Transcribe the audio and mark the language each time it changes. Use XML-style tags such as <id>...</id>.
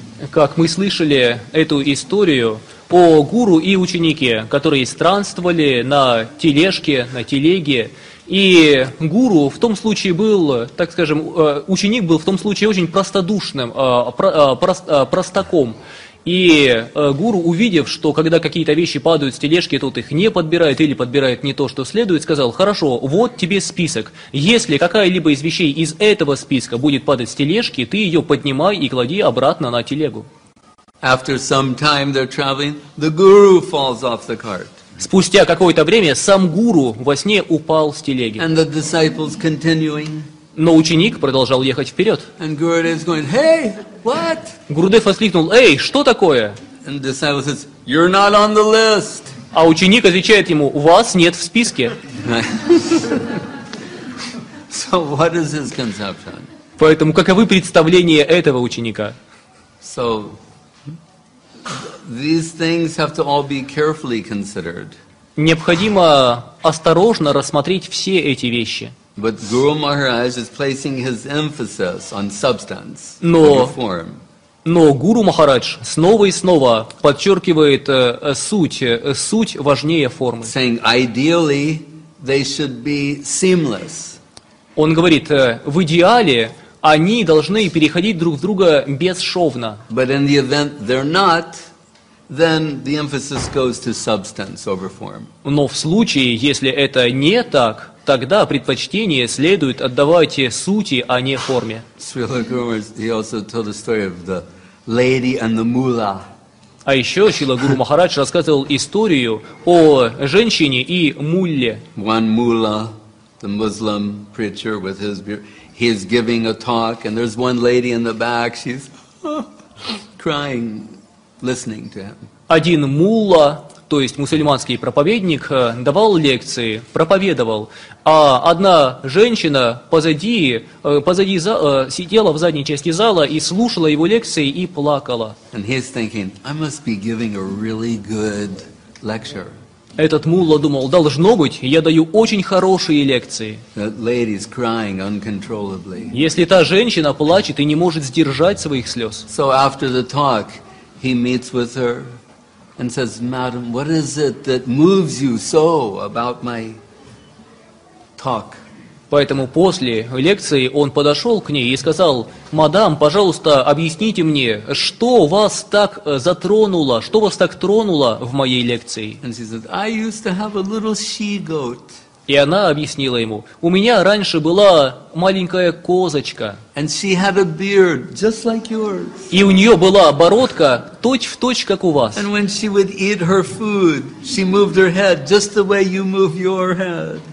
<ru>Как мы слышали эту историю о гуру и ученике, которые странствовали на тележке, на телеге, и гуру в том случае был, так скажем, ученик был в том случае очень простодушным, простаком. И гуру, увидев, что когда какие-то вещи падают с тележки, тот их не подбирает или подбирает не то, что следует, сказал, хорошо, вот тебе список. Если какая-либо из вещей из этого списка будет падать с тележки, ты ее поднимай и клади обратно на телегу.</ru> <en>After some time they're traveling, the guru falls off the cart.</en> <ru>Спустя какое-то время сам гуру во сне упал с телеги.</ru> <en>And the disciples continuing.</en> <ru>Но ученик продолжал ехать вперед.</ru> <en>And Gurudev is going, hey, what?</en> <ru>Гурудев воскликнул, эй, что такое?</ru> <en>And the disciple says, you're not on the list.</en> <ru>А ученик отвечает ему, вас нет в списке.</ru> <en>So what is his conception?</en> <ru>Поэтому каковы представления этого ученика?</ru> <en>So, these things have to all be carefully considered.</en> <ru>Необходимо осторожно рассмотреть все эти вещи.</ru> <en>But Guru Maharaj is placing his emphasis on substance, on form.</en> <ru>Но Гуру Махарадж снова и снова подчеркивает суть важнее формы.</ru> <en>Saying ideally they should be seamless.</en> <ru>Он говорит, в идеале они должны переходить друг в друга бесшовно.</ru> <en>But in the event they're not, then the emphasis goes to substance over form.</en> <ru>Но в случае, если это не так, тогда предпочтение следует отдавать сути, а не форме.</ru> <en>Шрила Гуру Махарадж, he also told the story of the lady and the mula.</en> <ru>А еще Шрила Гуру Махарадж рассказывал историю о женщине и мулле.</ru> <en>One mula, the Muslim preacher with his beard, he's giving a talk, and there's one lady in the back, she's crying, listening to him.</en> <ru>Один мулла, то есть мусульманский проповедник, давал лекции, проповедовал, а одна женщина позади сидела в задней части зала и слушала его лекции и плакала.</ru> <en>And he's thinking, I must be giving a really good lecture.</en> <ru>Этот мулла думал, должно быть, я даю очень хорошие лекции.</ru> <en>That lady's crying uncontrollably.</en> <ru>Если та женщина плачет и не может сдержать своих слез.</ru> <en>So after the talk, he meets with her. and says, "Madam, what is it that moves you so about my talk?"</en> <ru>Поэтому после лекции он подошел к ней и сказал: «Мадам, пожалуйста, объясните мне, что вас так затронуло, что вас так тронуло в моей лекции?»</ru> <en>And she said, "I used to have a little she-goat."</en> <ru>И она объяснила ему: «У меня раньше была маленькая козочка».</ru> <en>And she had a beard, just like yours.</en> <ru>И у нее была бородка точь-в-точь, как у вас.</ru> <en>And when she would eat her food, she moved her head just the way you move your head.</en>